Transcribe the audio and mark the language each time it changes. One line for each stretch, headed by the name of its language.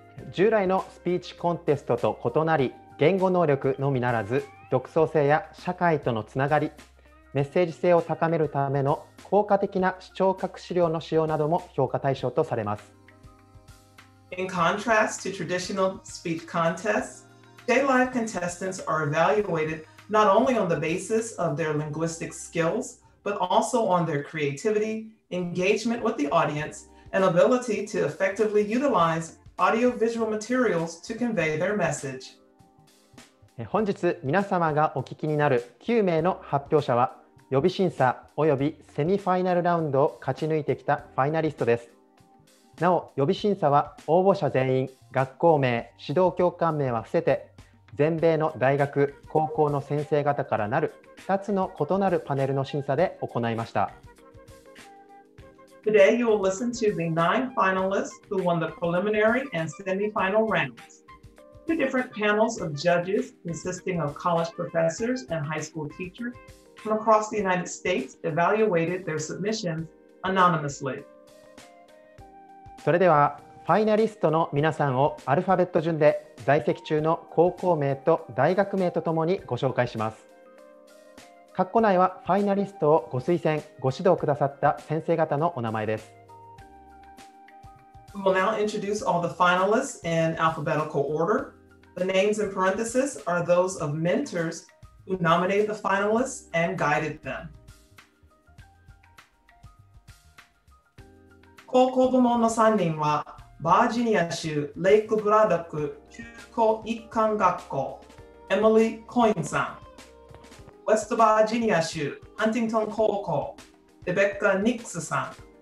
Japanese: 従来のスピーチコンテストと異なり、言語能力のみならず、独創性や社会とのつながり、メッセージ性を高めるための効果的な視聴覚資料の使用なども評価対象とされます。
English: In contrast to traditional speech contests, J-Live contestants are evaluated not only on the basis of their linguistic skills, but also on their creativity, engagement with the audience, and ability to effectively utilize audiovisual materials to convey their message.
Japanese: 本日皆様がお聞きになる9名の発表者は、予備審査およびセミファイナルラウンドを勝ち抜いてきたファイナリストです。なお、予備審査は応募者全員、学校名、指導教官名は伏せて、全米の大学、高校の先生方からなる2つの異なるパネルの審査で行いました。
English: Today you will listen to the 9 finalists who won the preliminary and semi-final rounds. Two different panels of judges consisting of college professors and high school teachers from across the United States evaluated their submissions anonymously.
Japanese: それではファイナリストの皆さんをアルファベット順で在籍中の高校名と大学名とともにご紹介します。括弧内はファイナリストをご推薦、ご指導くださった先生方のお名前です。
English: We will now introduce all the finalists in alphabetical order. The names in parentheses are those of mentors who nominated the finalists and guided them.
Japanese: 高校部門の3人は、バージニア州レイクブラドック中高一貫学校、エミリー・コインさん。ウェストバージニア州ハンティントン高校、レベッカ・ニックスさん。